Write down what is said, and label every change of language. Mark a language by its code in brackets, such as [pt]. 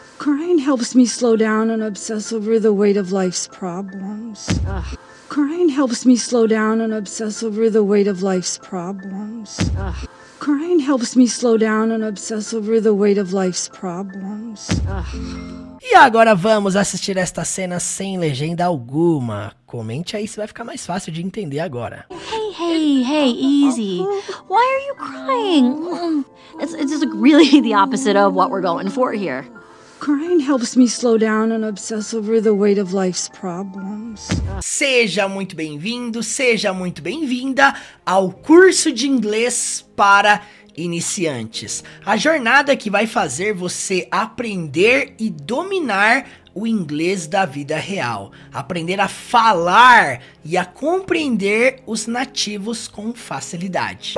[en] Crying helps me slow down and obsess over the weight of life's problems. Ugh. Crying helps me slow down and obsess over the weight of life's problems. Ugh. Crying helps me slow down and obsess over the weight of life's problems. Ugh. [pt] E agora vamos assistir esta cena sem legenda alguma. Comente aí se vai ficar mais fácil de entender agora. [en] Hey, easy. Why are you crying? It's just really the opposite of what we're going for here. Crying helps me slow down and obsess over the weight of life's problems. [pt] Seja muito bem-vindo, seja muito bem-vinda ao curso de inglês para iniciantes. A jornada que vai fazer você aprender e dominar o inglês da vida real. Aprender a falar e a compreender os nativos com facilidade.